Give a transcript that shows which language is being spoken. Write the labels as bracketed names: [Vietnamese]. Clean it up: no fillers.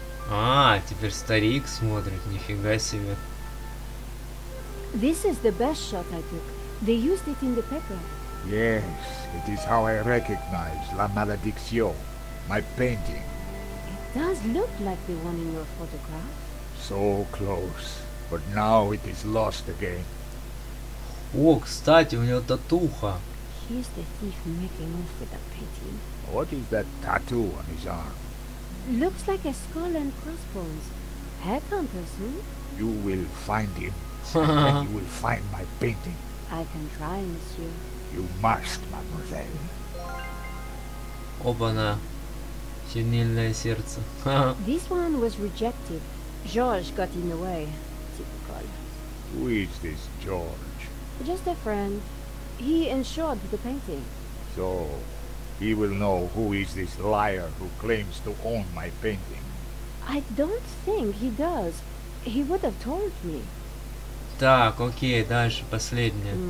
[Russian] А, теперь старик смотрит, нифига себе. [English] This is the best shot I took. They used it in the paper. Yes, it is how I recognize La Malédiction, my painting. It does look like the one in your photograph. So close, but now it is lost again. [Russian] О, кстати, у него татуха. [English] Here's the thief making off with that painting. What is that tattoo on his arm? Looks like a skull and crossbones. Headhunt person. You will find him. You will find my painting. I can try, monsieur. You must, mademoiselle. [Russian] Опа-на. Чернильное сердце. [English] This one was rejected. George got in the way. Typical. Who is this George? Just a friend. He insured the painting. So... He will know who is this liar who claims to own my painting. I don't think he does. He would have told me. [Russian] Так, окей, дальше, последнее.